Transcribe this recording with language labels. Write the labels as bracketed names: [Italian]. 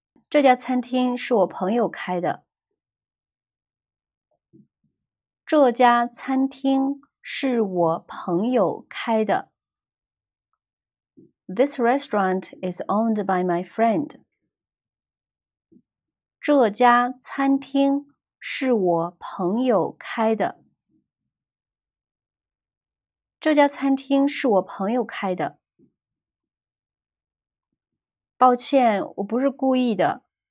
[Chinese] 这家餐厅是我朋友开的。这家餐厅是我朋友开的。 [English] This restaurant is owned by my friend. [Chinese] 这家餐厅是我朋友开的。这家餐厅是我朋友开的。抱歉，我不是故意的。